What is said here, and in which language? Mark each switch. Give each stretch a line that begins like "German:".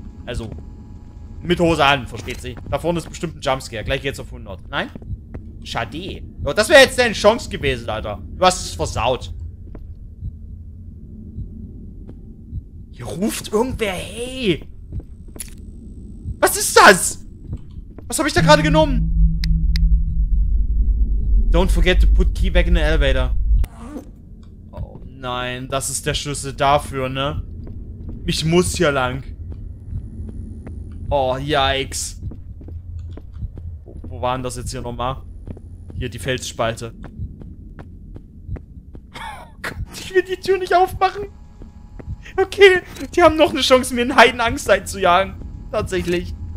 German: Also, mit Hose an, versteht sich. Da vorne ist bestimmt ein Jumpscare. Gleich geht's auf 100. Nein? Schade. Das wäre jetzt deine Chance gewesen, Alter. Du hast es versaut. Hier ruft irgendwer, hey. Was ist das? Was habe ich da gerade genommen?
English: Don't forget to put key back in the elevator.
German: Oh nein, das ist der Schlüssel dafür, ne? Ich muss hier lang. Oh, yikes. Wo waren das jetzt hier nochmal? Hier, die Felsspalte. Oh Gott, ich will die Tür nicht aufmachen. Okay, die haben noch eine Chance, mir in Heidenangst einzujagen. Tatsächlich.